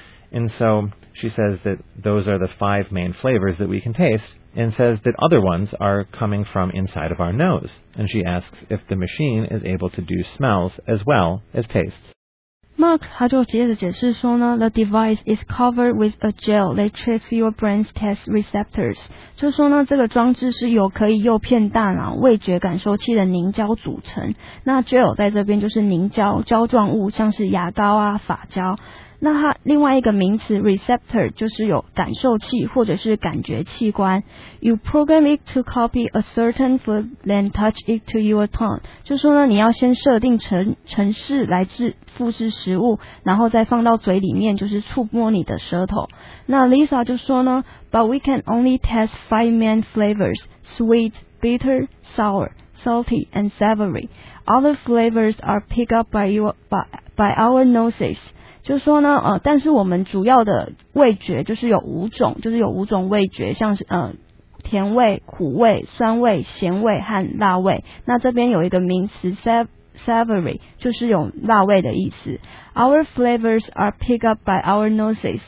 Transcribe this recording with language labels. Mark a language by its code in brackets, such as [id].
[en] And so she says that those are the 5 main flavors that we can taste, and says that other ones are coming from inside of our nose. And she asks if the machine is able to do smells as well as tastes. Mark [zh] 他就接着解释说呢 [en] ，The device is covered with a gel that tricks your brain's taste receptors. [zh] 就说呢，这个装置是由可以诱骗大脑味觉感受器的凝胶组成。那 gel 在这边就是凝胶胶状物，像是牙膏啊、发胶。那它另外一个名词 receptor 就是有感受器或者是感觉器官。 [en] You program it to copy a certain food, then touch it to your tongue. [zh] 就说呢，你要先设定程式来复制食物，然后再放到嘴里面，就是触摸你的舌头。 [en] 那 Lisa [zh] 就说呢 [en] ，But we can only test 5 main flavors: sweet, bitter, sour. Salty and savory. Other flavors are picked up by our noses. [zh] 就说呢，但是我们主要的味觉就是有五种，就是有五种味觉，像是甜味、苦味、酸味、咸味和辣味。那这边有一个名词 savory， 就是有辣味的意思。 [en] Our flavors are picked up by our noses.